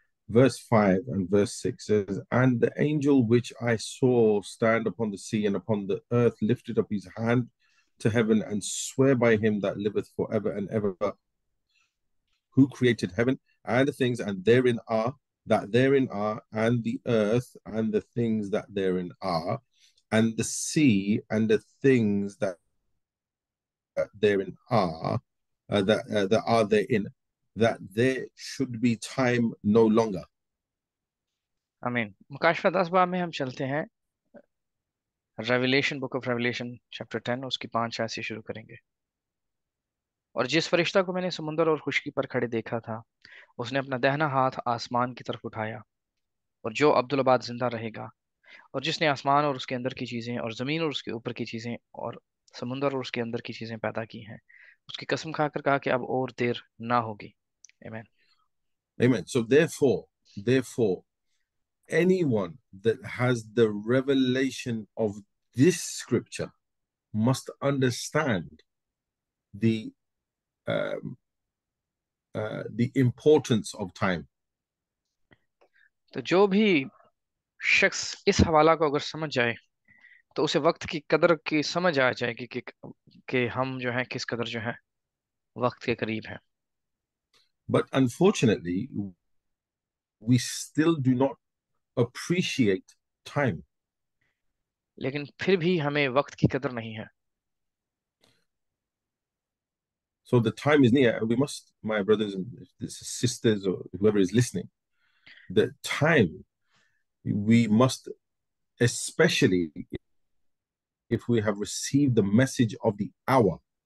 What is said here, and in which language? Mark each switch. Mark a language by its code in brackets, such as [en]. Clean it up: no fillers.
[en] Verse 5 and verse 6 says, and the angel which I saw stand upon the sea and upon the earth lifted up his hand to heaven and swear by him that liveth forever and ever, who created heaven and the things and therein are, that therein are, and the earth and the things that therein are. And the sea and the things that therein are, that are therein, that there should be time no longer. [hi] आमीन। मुकाशवा 10 बाब में हम चलते हैं, [en] revelation book of revelation chapter 10 [hi] उसकी 5 आयत से शुरू करेंगे। और जिस फरिश्ता को मैंने समुंदर और खुशकी पर खड़े देखा था, उसने अपना दाहिना हाथ आसमान की तरफ उठाया, और जो अब्दुल अबाद जिंदा रहेगा और जिसने आसमान और उसके अंदर की चीज़ें और ज़मीन और उसके ऊपर की चीज़ें और समुंदर और उसके अंदर की चीज़ें पैदा की हैं, उसकी कसम खाकर कहा कि अब और देर ना होगी। आमीन। [en] Amen. So therefore, anyone that has the revelation of this scripture must understand the importance of time. [hi] तो जो भी शख्स इस हवाला को अगर समझ जाए तो उसे वक्त की कदर की समझ आ जाएगी कि हम जो हैं किस कदर जो हैं वक्त के करीब हैं। [en] But unfortunately, we still do not appreciate time. [hi] लेकिन फिर भी हमें वक्त की कदर नहीं है। [en] So the time is near. We must, my brothers and sisters, or whoever is listening, the time we must, especially if we have received the message of the hour.